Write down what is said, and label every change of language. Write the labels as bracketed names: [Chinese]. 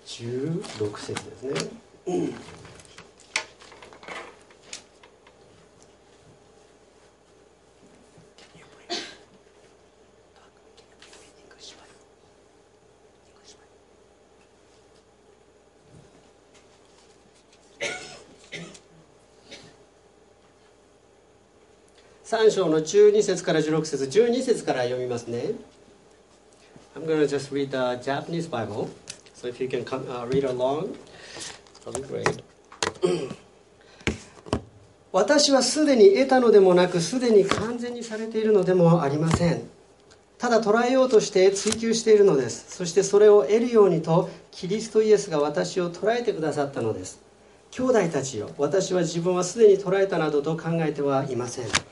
[Japanese] 3章の12節から16節、12節から読みますね。 [English] I'm going to just read the Japanese Bible. So if you can come, read along, that'll be great. [Japanese] 私はすでに得たのでもなく、すでに完全にされているのでもありません。ただ捉えようとして追求しているのです。そしてそれを得るようにと、キリストイエスが私を捉えてくださったのです。兄弟たちよ、私は自分はすでに捉えたなどと考えてはいません。